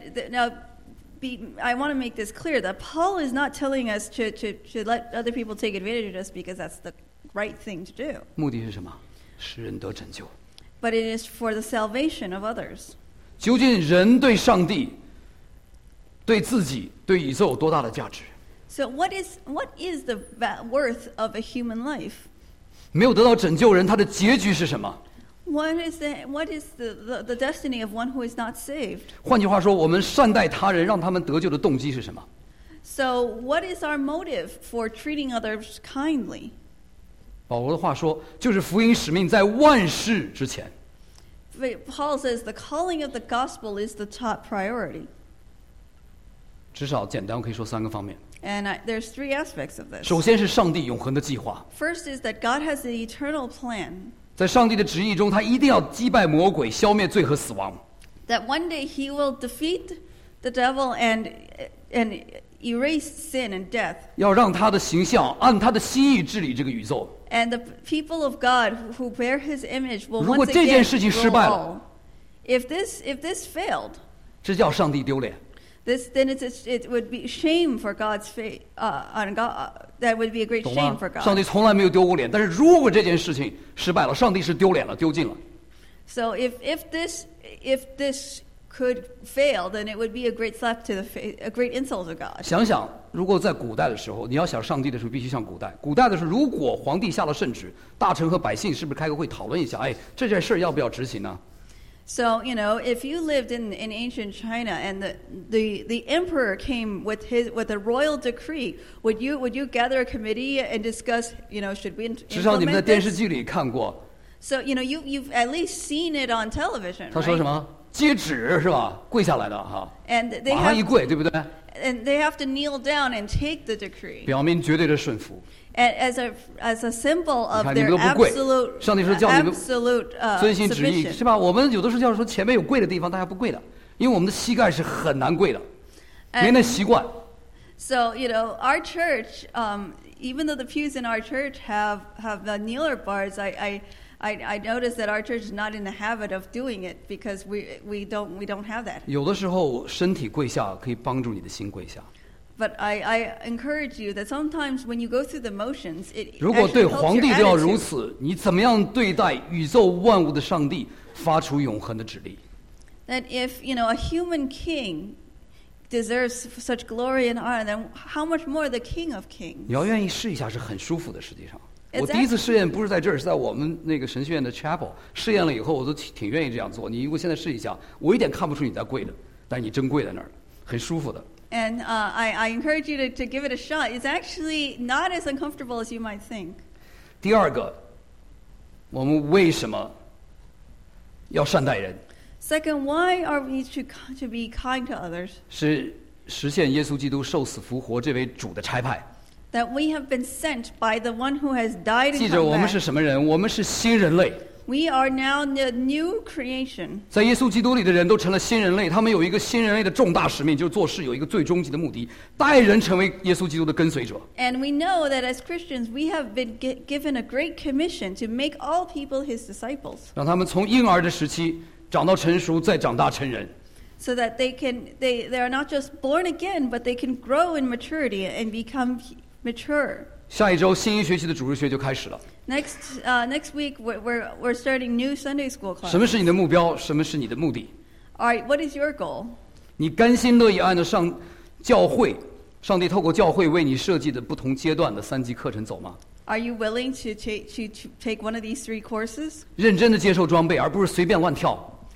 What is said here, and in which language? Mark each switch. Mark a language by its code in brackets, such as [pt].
[en] I want to make this clear that Paul is not telling us to let other people take advantage of us because that's the right thing to do. [zh] 目的是什么？使人得拯救。 [en] But it is for the salvation of others. [zh] 究竟人对上帝、对自己、对宇宙有多大的价值？ [en] So what is the worth of a human life? [zh] 没有得到拯救人，他的结局是什么？ [en] What is the destiny of one who is not saved? [zh] 换句话说，我们善待他人，让他们得救的动机是什么？ [en] So what is our motive for treating others kindly? [zh] 保罗的话说，就是福音使命在万事之前。 [en] Paul says the calling of the gospel is the top priority. [zh] 至少简单，我可以说三个方面。 [en] And there's three aspects of this. [zh] 首先是上帝永恒的计划。 [en] First is that God has the eternal plan. [zh] 在上帝的旨意中，他一定要击败魔鬼，消灭罪和死亡。 [en] That one day he will defeat the devil and erase sin and death. [zh] 要让他的形象按他的心意治理这个宇宙。 [en] And the people of God who bear his image will once again rule all. [zh] 如果这件事情失败了 [en] ，if this failed, [zh] 这叫上帝丢脸。 [en] It would be shame for God's faith. That would be a great shame for God. [zh] 上帝从来没有丢过脸，但是如果这件事情失败了，上帝是丢脸了，丢尽了。 [en] So if this could fail, then it would be a great slap to the face, a great insult to God. [zh] 想想，如果在古代的时候，你要想上帝的时候，必须像古代。古代的时候，如果皇帝下了圣旨，大臣和百姓是不是开个会讨论一下？哎，这件事要不要执行呢？ [en] So, you know, if you lived in ancient China and the emperor came with a royal decree, would you gather a committee and discuss, you know, should we implement this? [zh] 至少你们在电视剧里看过。 [en] So, you know, you've at least seen it on television, [zh] 他说什么？ [en] right? [zh] 接旨是吧？跪下来的哈。 [en] And they [zh] 马上一跪，对不对 [en] ？And they have to kneel down and take the decree. [zh] 表明绝对的顺服。 [en] And as a symbol of their absolute, [zh] 上帝说叫你们 [en] absolute, [zh] 遵行旨意，是吧？我们有的时候叫说前面有跪的地方，大家不跪的，因为我们的膝盖是很难跪的，没那习惯。 [en] So you know, our church, even though the pews in our church have the kneeler bars, I noticed that our church is not in the habit of doing it because we don't have that. [zh] 有的时候身体跪下可以帮助你的心跪下。 [en] But I encourage you that sometimes when you go through the motions, it. [zh] 如果对皇帝都要如此，你怎么样对待宇宙万物的上帝发出永恒的旨意 [en] ？That if you know a human king deserves such glory and honor, then how much more the King of Kings? [zh] 你要愿意试一下是很舒服的，实际上。我第一次试验不是在这儿，是在我们那个神学院的 chapel。试验了以后，我都挺愿意这样做。你如果现在试一下，我一点看不出你在跪的，但你真跪在那儿，很舒服的。 [en] And I encourage you to give it a shot. It's actually not as uncomfortable as you might think. [zh] 第二个，我们为什么要善待人 [en] ？Second, why are we to be kind to others? [zh] 是实现耶稣基督受死复活这位主的差派。 [en] That we have been sent by the one who has died and come back. [zh] 记着，我们是什么人？我们是新人类。 [en] We are now the new creation. [zh] 在耶稣基督里的人都成了新人类，他们有一个新人类的重大使命，就是做事有一个最终极的目的，带人成为耶稣基督的跟随者。 [en] And we know that as Christians, we have been given a great commission to make all people His disciples. [zh] 让他们从婴儿的时期长到成熟，再长大成人。 [en] So that they are not just born again, but they can grow in maturity and become mature. [zh] 下一周新一学期的主日学就开始了。 [en] Next week we're starting new Sunday school class. [zh] 什么是你的目标？什么是你的目的 [en] ？All right, what is your goal? [zh] 你甘心乐意按照上教会，上帝透过教会为你设计的不同阶段的三级课程走吗 [en] ？Are you willing to take one of these three courses? [zh] 认真的接受装备，而不是随便乱跳。